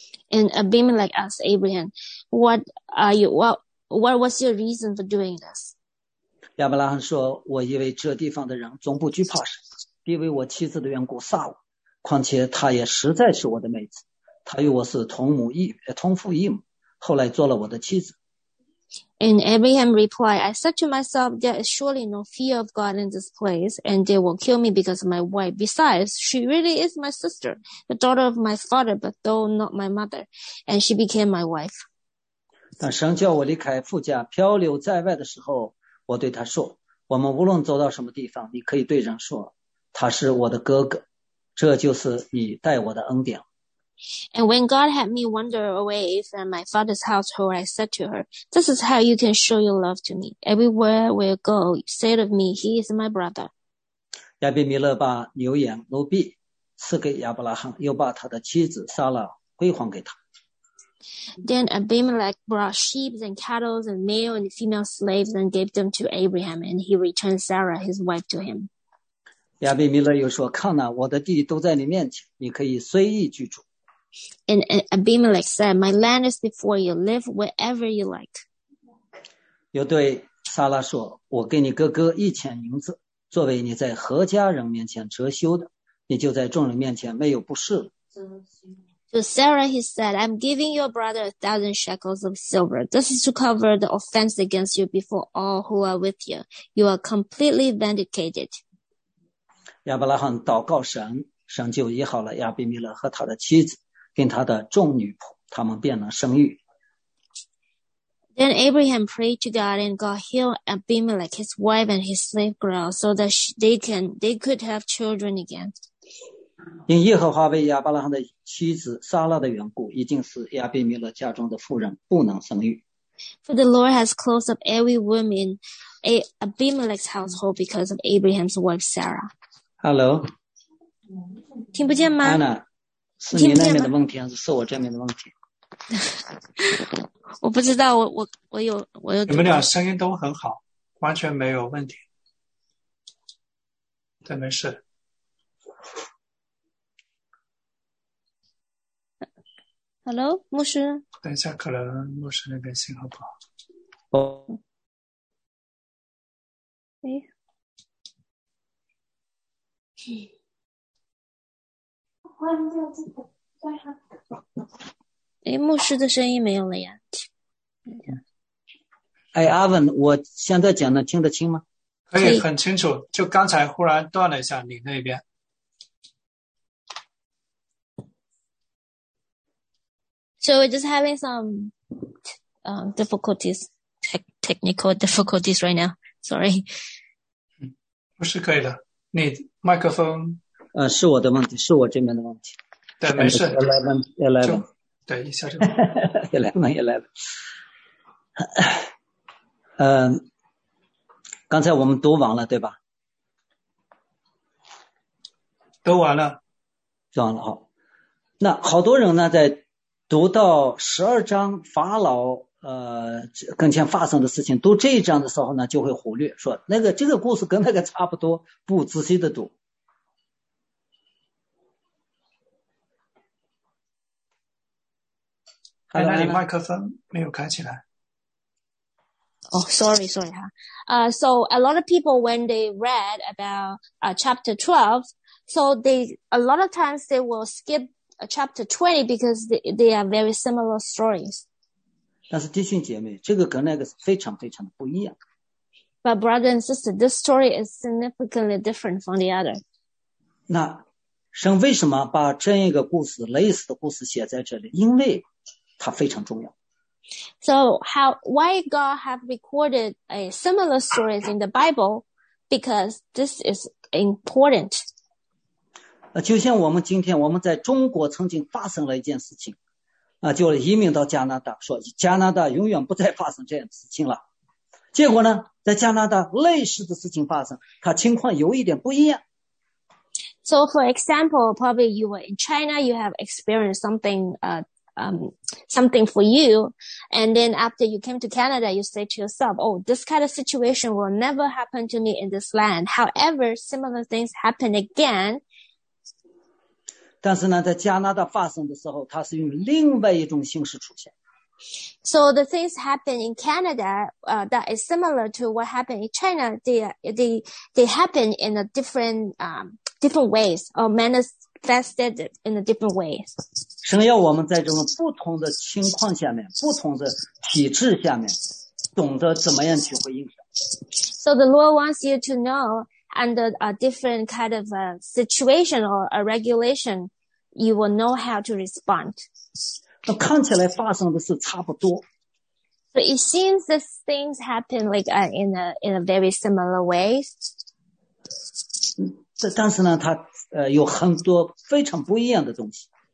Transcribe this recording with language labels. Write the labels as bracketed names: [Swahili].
[English] And Abimelech asked Abraham, what was your reason for doing this? [Chinese] 亚伯拉罕说，我以为这地方的人总不惧怕神，必为我妻子的缘故杀我，况且她也实在是我的妹子，她与我是同父异母，后来做了我的妻子。 [English] And Abraham replied, I said to myself, there is surely no fear of God in this place, and they will kill me because of my wife. Besides, she really is my sister, the daughter of my father, but though not my mother, and she became my wife. [Chinese] 当神叫我离开父家漂流在外的时候，我对他说，我们无论走到什么地方，你可以对人说，他是我的哥哥，这就是你待我的恩典。 [English] And when God had me wander away from my father's household, I said to her, "This is how you can show your love to me. Everywhere we go, say of me, 'He is my brother.'" [Chinese] 亚比米勒把牛羊奴婢赐给亚伯拉罕，又把他的妻子杀了，归还给他。 [English] Then Abimelech brought sheep and cattle and male and female slaves and gave them to Abraham, and he returned Sarah his wife to him. [Chinese] 亚比米勒又说：“看哪，我的地都在你面前，你可以随意居住。” [English] And Abimelech said, "My land is before you. Live wherever you like." [Chinese] 又对撒拉说，我给你哥哥1000银子，作为你在何家人面前折羞的，你就在众人面前没有不是了。 [English] To Sarah, he said, "I'm giving your brother 1,000 shekels of silver. This is to cover the offense against you before all who are with you. You are completely vindicated." [Chinese] 亚伯拉罕祷告神，神就医好了亚比米勒和他的妻子。跟他的众女仆，他们便能生育。 [English] Then Abraham prayed to God, and God healed Abimelech, his wife, and his slave girl, so that they could have children again. [Chinese] 因耶和华为亚伯拉罕的妻子撒拉的缘故，已经使亚比米勒家中的妇人不能生育。 [English] For the Lord has closed up every womb in Abimelech's household because of Abraham's wife Sarah. Hello. [Chinese] 听不见吗？ Anna. 是你那边的问题还是是我这边的问题？我不知道，我有。你们俩声音都很好，完全没有问题。对，没事。 Hello， 牧师。等一下，可能牧师那边信号不好。哦。哎。诶，牧师的声音没有了呀。哎，阿文，我现在讲的听得清吗？可以，很清楚，就刚才忽然断了一下，你那边。 [English] So we're just having some difficulties, technical difficulties right now. Sorry. [Chinese] 不是可以的，你麦克风。是我的问题，是我这边的问题。对，没事。 11. 对，一下就。 11. 刚才我们读完了，对吧？读完了。读完了，好。那好多人呢，在读到十二章法老跟前发生的事情，读这一章的时候呢，就会忽略说那个这个故事跟那个差不多，不仔细的读。哎，那你麦克风没有开起来。 [English] Sorry. So a lot of people, when they read about chapter 12, so a lot of times they will skip chapter 20 because they are very similar stories. [Chinese] 但是弟兄姐妹，这个跟那个非常非常的不一样。 [English] But brother and sister, this story is significantly different from the other. [Chinese] 那神为什么把这样一个故事，类似的故事写在这里？因为它非常重要。 [English] So why God have recorded a similar stories in the Bible? Because this is important. [Chinese] 就像我们今天，我们在中国曾经发生了一件事情，就移民到加拿大，说加拿大永远不再发生这样的事情了。结果呢，在加拿大类似的事情发生，它情况有一点不一样。 [English] So for example, probably you were in China, you have experienced something, something for you, and then after you came to Canada, you say to yourself, oh, this kind of situation will never happen to me in this land. However, similar things happen again. [Chinese] 但是呢，在加拿大发生的时候，它是用另外一种形式出现。 [English] So the things happen in Canada, that is similar to what happened in China. They happen in a different ways or manifested in a different way. [Chinese] 神要我们在这种不同的情况下面，不同的体制下面，懂得怎么样去回应神。 [English] So the Lord wants you to know under a different kind of a situation or a regulation, you will know how to respond. [Chinese] 那看起来发生的是差不多。 [English] So it seems that things happen like in a very similar way. [Chinese] 但是呢，它有很多非常不一样的东西。